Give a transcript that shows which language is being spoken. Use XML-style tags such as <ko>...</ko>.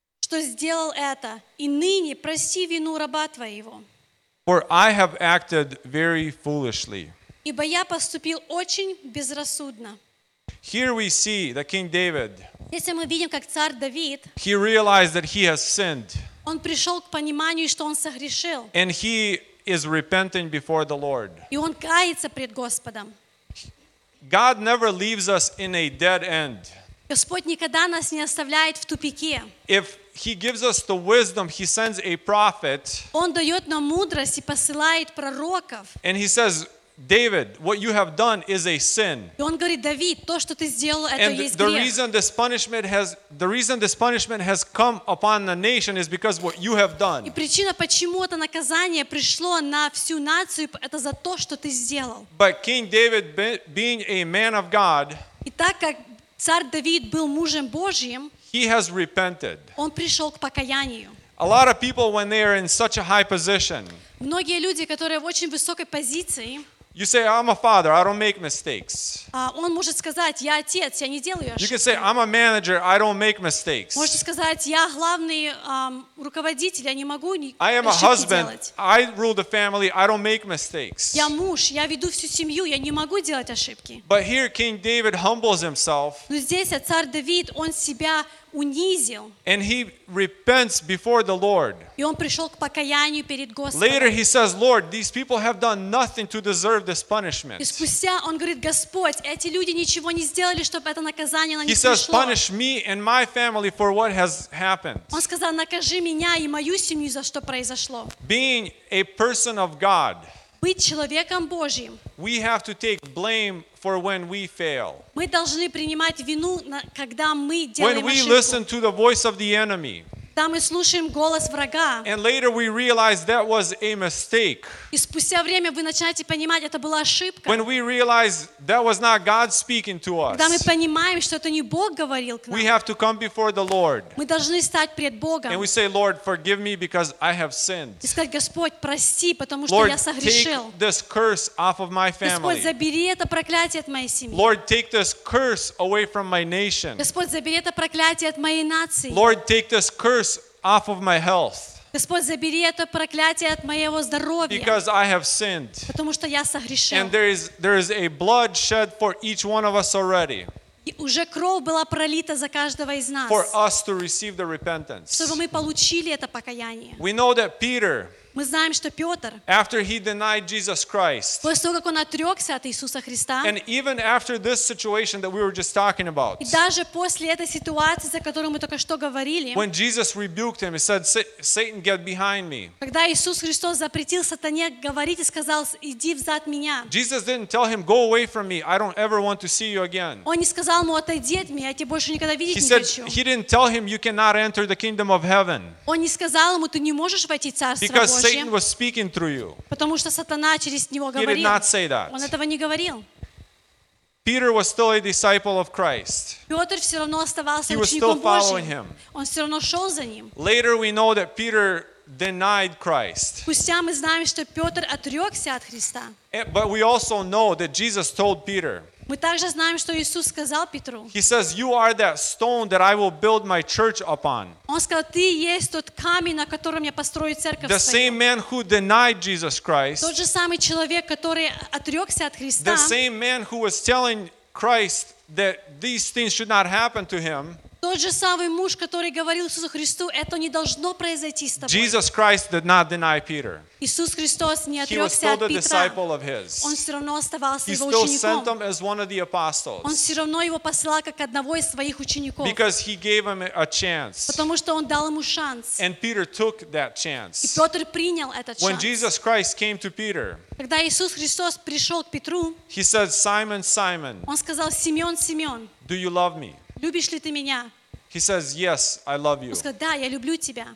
<ru>Что сделал это, и ныне прости вину раба твоего.</ru> <en>For I have acted very foolishly.</en> <ru>Ибо я поступил очень безрассудно.</ru> <en>Here we see that King David,</en> <ru>если мы видим, как царь Давид,</ru> <en>he realized that he has sinned.</en> <ru>Он пришел к пониманию, что он согрешил.</ru> <en>And he is repenting before the Lord.</en> <ru>И он кается пред Господом.</ru> <en>God never leaves us in a dead end.</en> <ru>Господь никогда нас не оставляет в тупике.</ru> <en>If He gives us the wisdom. He sends a prophet.</en> <ru>Он дает нам мудрость и посылает пророков.</ru> <en>And he says, David, what you have done is a sin.</en> <ru>И он говорит, Давид, то, что ты сделал, это есть грех.</ru> <en>And the reason this punishment has come upon the nation is because what you have done.</en> <ru>И причина, почему это наказание пришло на всю нацию, это за то, что ты сделал.</ru> <en>But King David, being a man of God,</en> <ru>и так как царь Давид был мужем Божьим,</ru> <en>he has repented.</en> <ru>Он пришел к покаянию.</ru> <en>A lot of people, when they are in such a high position,</en> <ru>многие люди, которые в очень высокой позиции,</ru> <en>you say, I'm a father, I don't make mistakes.</en> <ru>Он может сказать, я отец, я не делаю ошибки.</ru> <en>You can say, I'm a manager, I don't make mistakes.</en> <ru>Можете сказать, я главный руководитель, я не могу ошибки делать.</ru> <en>I am a husband, I rule the family, I don't make mistakes.</en> <ru>Я муж, я веду всю семью, я не могу делать ошибки.</ru> <en>But here King David humbles himself.</en> <ru>Но здесь царь Давид, он себя унизил.</ru> <en>And he repents before the Lord.</en> <ru>И он пришел к покаянию перед Господом.</ru> <en>Later he says, Lord, these people have done nothing to deserve this punishment.</en> <ru>И спустя он говорит, Господь, эти люди ничего не сделали, чтобы это наказание на них пришло.</ru> <en>He says, punish me and my family for what has happened.</en> <ru>Он сказал, накажи меня и мою семью за что произошло.</ru> <en>Being a person of God,</en> <ru>быть человеком Божьим,</ru> <en>we have to take blame for when we fail.</en> <ru>Мы должны принимать вину, когда мы делаем ошибку.</ru> <en>When we listen to the voice of the enemy,</en> <ru>когда мы слушаем голос врага,</ru> <en>and later we realize that was a mistake,</en> <ru>и спустя время вы начинаете понимать, это была ошибка.</ru> <en>When we realize that was not God speaking to us,</en> <ru>когда мы понимаем, что это не Бог говорил к нам,</ru> <en>we have to come before the Lord.</en> <ru>Мы должны стать пред Богом.</ru> <en>And we say, Lord, forgive me because I have sinned.</en> <ru>И сказать, Господь, прости, потому что</ru> <en>Lord,</en> <ru>я согрешил.</ru> <en>Take this curse off of my family.</en> <ru>Господь, забери это проклятие от моей семьи.</ru> <en>Lord, take this curse away from my nation.</en> <ru>Господь, забери это проклятие от моей нации.</ru> <en>Lord, take this curse off of my health.</en> <ru>Господь, забери это проклятие от моего здоровья.</ru> <en>Because I have sinned.</en> <ru>Потому что я согрешил.</ru> <en>And there is a blood shed for each one of us already.</en> <ru>И уже кровь была пролита за каждого из нас.</ru> <en>For us to receive the repentance.</en> <ru>Чтобы мы получили это покаяние.</ru> <en>We know that Peter.</en> <ru>Мы знаем, что Петр.</ru> <en>After he denied Jesus Christ.</en> <ru>После того, как он отрекся от Иисуса Христа.</ru> <en>And even after this situation that we were just talking about.</en> <ru>И даже после этой ситуации, за которую мы только что говорили.</ru> <en>When Jesus rebuked him, he said, "Satan, get behind me."</en> <ru>Когда Иисус Христос запретил сатане говорить и сказал: "Иди взад меня."</ru> <en>Jesus didn't tell him, "Go away from me. I don't ever want to see you again."</en> <ru>Он не сказал ему: "Отойди от меня, я тебя больше никогда видеть не хочу."</ru> <en>He didn't tell him, "You cannot enter the kingdom of heaven."</en> <ru>Он не сказал ему: "Ты не можешь войти в Царство Божие."</ru> <en>Satan was speaking through you.</en> <ru>Потому что сатана через него говорил.</ru> <en>He did not say that.</en> <ru>Он этого не говорил.</ru> <en>Peter was still a disciple of Christ.</en> <ru>Петр все равно оставался учеником Божьим.</ru> <en>He was still following him.</en> <ru>Он все равно шел за ним.</ru> <en>Later we know that Peter denied Christ.</en> <ru>Спустя мы знаем, что Петр отрекся от Христа.</ru> <en>But we also know that Jesus told Peter.</en> <ru>Мы также знаем, что Иисус сказал Петру.</ru> <en>He says, "You are that stone that I will build my church upon."</en> <ru>Он сказал: "Ты есть тот камень, на котором я построю церковь свою."</ru> <en>The same man who denied Jesus Christ.</en> <ru>Тот же самый человек, который отрекся от Христа.</ru> <en>The same man who was telling Christ that these things should not happen to him.</en> <ru>Тот же самый муж, который говорил Иисусу Христу: "Это не должно произойти с тобой."</ru> <en>Jesus Christ did not deny Peter.</en> <ru>Иисус Христос не отрекся от Петра.</ru> <en>He was still the disciple of his.</en> <ru>Он все равно оставался его учеником.</ru> <en>He still sent him as one of the apostles.</en> <ru>Он все равно его посылал как одного из своих учеников.</ru> <en>Because he gave him a chance.</en> <ru>Потому что он дал ему шанс.</ru> <en>And Peter took that chance.</en> <ru>И Петр принял этот шанс.</ru> <en>When Jesus Christ came to Peter.</en> <ru>Когда Иисус Христос пришел к Петру.</ru> <en>He said, "Simon, Simon."</en> <ru>Он сказал: "Симеон, Симеон."</ru> <en>Do you love me?</en> <ru>Любишь ли ты меня?</ru> <en>He says, "Yes, I love you."</en> <ru>Он сказал: "Да, я люблю тебя."</ru>